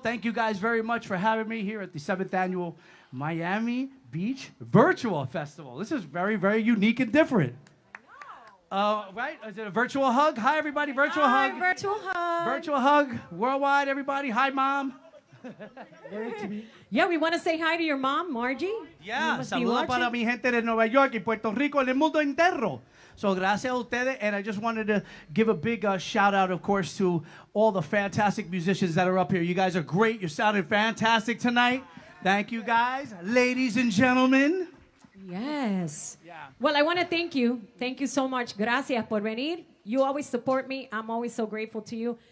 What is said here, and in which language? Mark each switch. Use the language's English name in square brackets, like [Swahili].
[English] Thank you guys very much for having me here at the 7th Annual Miami Beach Virtual Festival. This is very, very unique and different. Right? Is it a virtual hug? Hi, everybody. Virtual Hi, hug. Virtual hug. Virtual hug. Worldwide, everybody. Hi, Mom. Yeah, we want to say hi to your mom, Margie. [Spanish] Yeah, saludos para mi gente de Nueva York y Puerto Rico y el mundo entero. So, gracias a ustedes. [English] And I just wanted to give a big shout out, of course, to all the fantastic musicians that are up here. You guys are great. You're sounding fantastic tonight. Thank you, guys. Ladies and gentlemen. Yes. Yeah. Well, I want to thank you. Thank you so much. [Spanish] Gracias por venir. [English] You always support me. I'm always so grateful to you.